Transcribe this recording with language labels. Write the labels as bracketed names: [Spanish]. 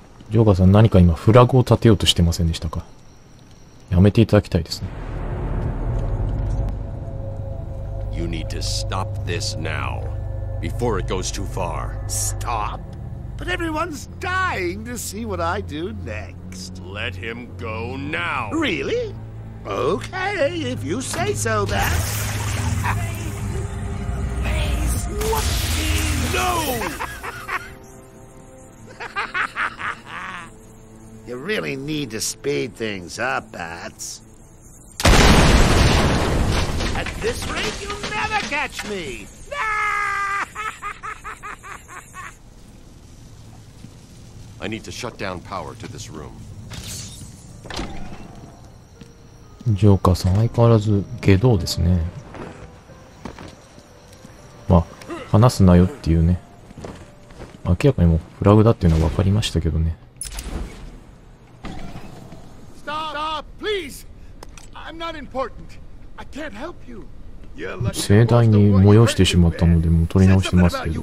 [Japanese] ジョーカーさん、何か今フラグを立てようとしてませんでしたか。やめていただきたいですね。 [English] You need to stop this now, before it goes too far. Stop? But everyone's dying to see what I do next. Let him go now. Really? Okay, if you say so, then. Please, what? No! You really need to speed things up, Bats. At this rate, you'll never catch me! I need to shut down power to this room. [Japanese] ジョーカーさん、相変わらず下道ですね。まあ、話すなよっていうね。明らかにもうフラグだっていうのは分かりましたけどね。盛大に催してしまったので、もう取り直してますけど。